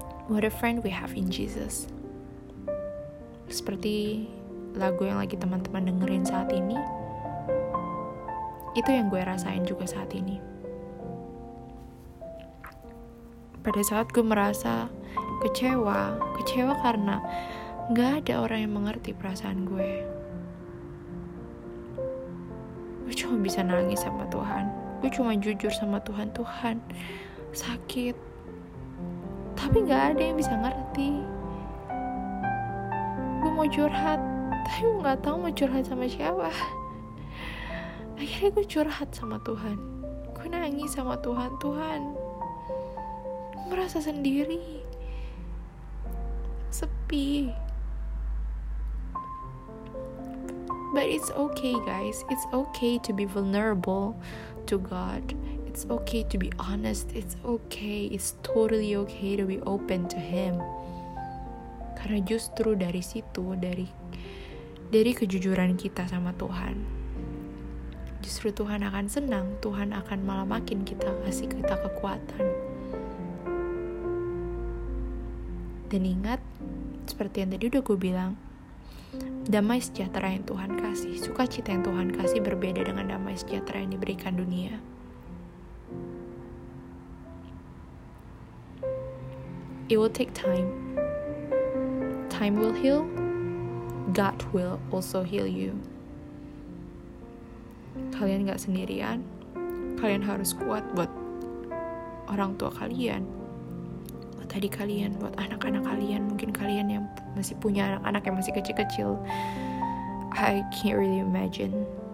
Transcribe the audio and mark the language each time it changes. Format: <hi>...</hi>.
<en>What a friend we have in Jesus.</en> <id>Seperti lagu yang lagi teman-teman dengerin saat ini, itu yang gue rasain juga saat ini. Pada saat gue merasa kecewa karena gak ada orang yang mengerti perasaan gue, gue cuma bisa nangis sama Tuhan. Gue cuma jujur sama Tuhan, Tuhan sakit, tapi gak ada yang bisa ngerti. Gue mau curhat, tapi gue gak tahu mau curhat sama siapa. Akhirnya gue curhat sama Tuhan. Gue nangis sama Tuhan, Tuhan, gue merasa sendiri, sepi.</id> <en>But it's okay, guys. It's okay to be vulnerable to God. It's okay to be honest. It's okay. It's totally okay to be open to Him.</en> <id>Karena justru dari situ, dari kejujuran kita sama Tuhan, justru Tuhan akan senang. Tuhan akan malah makin kita kasih kita kekuatan. Dan ingat, seperti yang tadi udah gue bilang, damai sejahtera yang Tuhan kasih, sukacita yang Tuhan kasih berbeda dengan damai sejahtera yang diberikan dunia.</id> <en>It will take time. Time will heal, God will also heal you.</en> <id>Kalian gak sendirian, kalian harus kuat buat orang tua kalian, buat adik kalian, buat anak-anak kalian, mungkin kalian yang masih punya anak-anak yang masih kecil-kecil.</id> <en>I can't really imagine.</en>